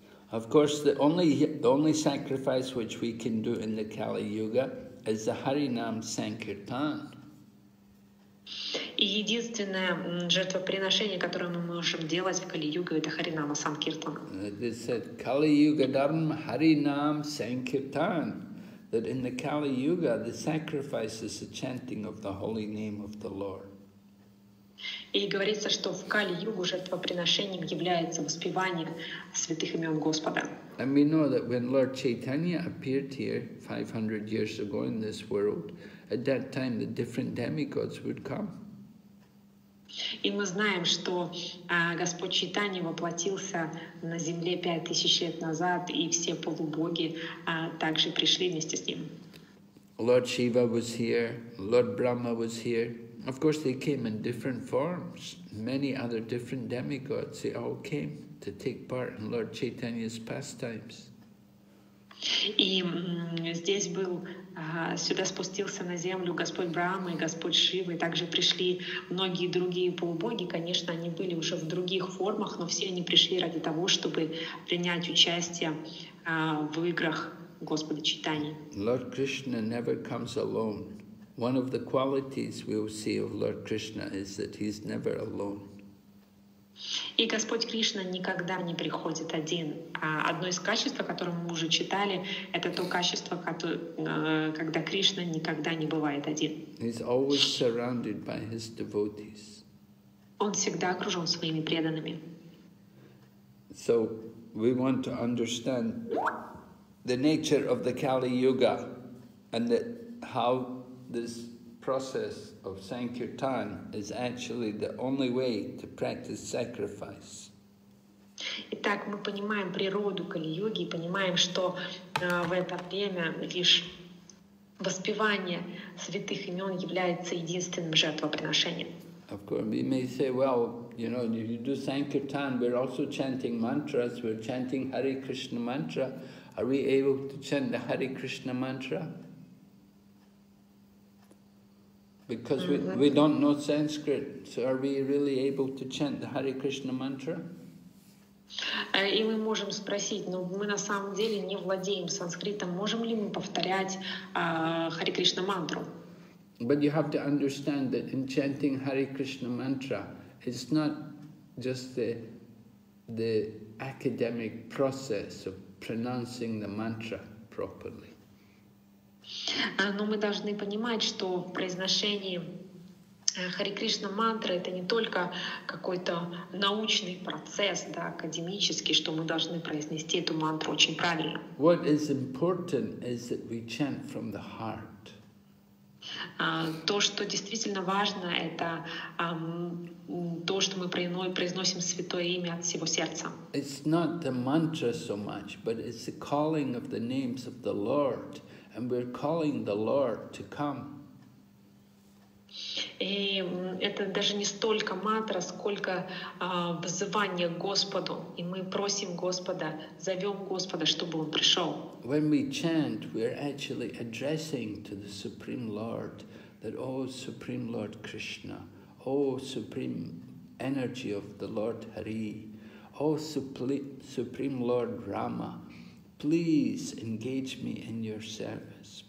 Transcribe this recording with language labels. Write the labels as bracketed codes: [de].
[en] Of course, the only sacrifice which we can do in the Kali Yuga is the Harinam Sankirtan. [ru] И единственное жертвоприношение, которое мы можем делать в Кали Юге, это Харинама Санкиртан. [en] They said Kali Yuga Dharma Harinam Sankirtan, that in the Kali Yuga the sacrifice is the chanting of the holy name of the Lord. [ru] И говорится, что в Кали-югу жертвоприношением является воспевание святых имен Господа. [en] And we know that when Lord Chaitanya appeared here 500 years ago in this world, at that time the different demigods would come. [ru] И мы знаем, что Господь Чайтанья воплотился на земле 5000 лет назад, и все полубоги также пришли вместе с ним. [en] Lord Shiva was here, Lord Brahma was here. Of course, they came in different forms. Many other different demigods, they all came to take part in Lord Chaitanya's pastimes. [ru] И здесь был, сюда спустился на землю Господь Брахма и Господь Шива, и также пришли многие другие полубоги. Конечно, они были уже в других формах, но все они пришли ради того, чтобы принять участие в играх Господа Чайтаньи. [en] Lord Krishna never comes alone. One of the qualities we will see of Lord Krishna is that he's never alone. [ru] И Господь Кришна никогда не приходит один. Одно из качеств, о котором мы уже читали, это то качество, когда Кришна никогда не бывает один. [en] He's always surrounded by his devotees. [ru] Он всегда окружен своими преданными. [en] So we want to understand the nature of the Kali Yuga and that how this process of Sankirtan is actually the only way to practice sacrifice. [ru] Итак, мы понимаем природу Кали-йоги и понимаем, что в это время лишь воспевание святых имен является единственным жертвоприношением. [en] Of course, we may say, well, you know, if you do Sankirtan, we're also chanting mantras, we're chanting Hare Krishna mantra. Are we able to chant the Hare Krishna mantra? Because we don't know Sanskrit, so are we really able to chant the Hare Krishna mantra? [ru] И мы можем спросить, но мы на самом деле не владеем санскритом. Можем ли мы повторять Hare Krishna mantra? [en] But you have to understand that in chanting Hare Krishna mantra, it's not just the academic process of pronouncing the mantra properly. [ru] Но мы должны понимать, что произношение Хари Кришна мантры — это не только какой-то научный процесс, да, академический, что мы должны произнести эту мантру очень правильно. [en] What is important is that we chant from the heart. [ru] То, что действительно важно, это то, что мы произносим святое имя от всего сердца. [en] It's not the mantra so much, but it's the calling of the names of the Lord. And we're calling the Lord to come. [ru] И это даже не столько мантра, сколько взывание к Господу. И мы просим Господа, зовем Господа, чтобы Он пришел. [en] When we chant, we're actually addressing to the Supreme Lord, that, O Supreme Lord Krishna, O Supreme Energy of the Lord Hari, O Supreme Lord Rama, please engage me in your service.